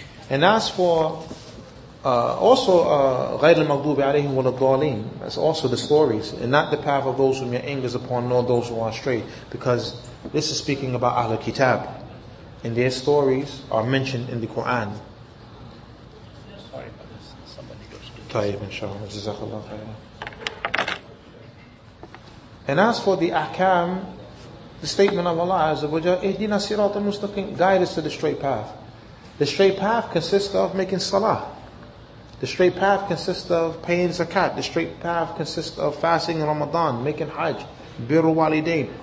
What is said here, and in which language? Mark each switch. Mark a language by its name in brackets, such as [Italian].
[English] And as for also [Arabic] غير المغضوب عليهم ولا الضالين, [English] that's also the stories, and not the path of those whom your anger is upon, nor those who are straight, because this is speaking about Ahlul Kitab, and their stories are mentioned in the Quran. Sorry, but somebody goes. [Arabic] طيب إن شاء الله جزاك الله خير. [English] And as for the أحكام, the statement of Allah Azza wa Jalla, [Arabic] اهدنا صراط المستقيم, [English] guide us to the straight path. The straight path consists of making salah. The straight path consists of paying zakat. The straight path consists of fasting in Ramadan, making hajj, birru walidain.